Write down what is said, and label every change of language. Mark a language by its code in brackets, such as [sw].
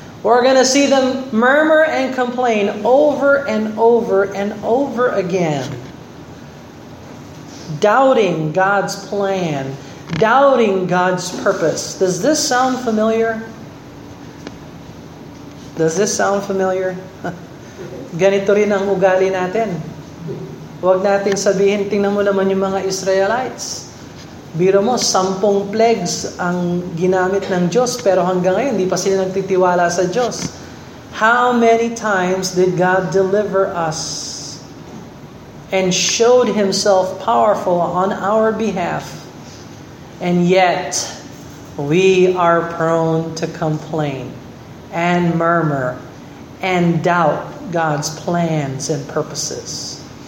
[en] We're going to see them murmur and complain over and over and over again. Doubting God's plan. Doubting God's purpose. Does this sound familiar? Does this sound familiar? [tl] Ganito rin ang ugali natin. Huwag natin sabihin, tingnan mo naman yung mga Israelites. Biro mo, 10 plagues ang ginamit ng Diyos, pero hanggang ngayon, hindi pa sila nagtitiwala sa Diyos. [en] How many times did God deliver us and showed Himself powerful on our behalf, and yet we are prone to complain and murmur and doubt God's plans and purposes.